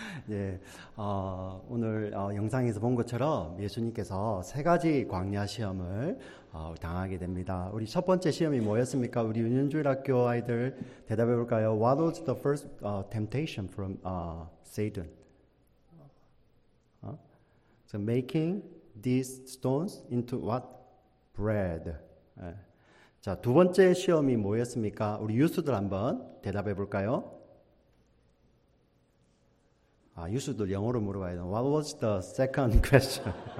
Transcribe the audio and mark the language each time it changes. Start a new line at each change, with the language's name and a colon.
Korean: 예, 오늘 영상에서 본 것처럼 예수님께서 세 가지 광야 시험을 당하게 됩니다. 우리 첫 번째 시험이 뭐였습니까? 우리 은연주일 학교 아이들 대답해 볼까요?
English: What was the first temptation from Satan? So making these stones into what? Bread. 예.
Korean: 자, 두 번째 시험이 뭐였습니까? 우리 유수들 한번 대답해 볼까요? 아, 유수들 영어로 물어봐야 돼.
English: What was the second question?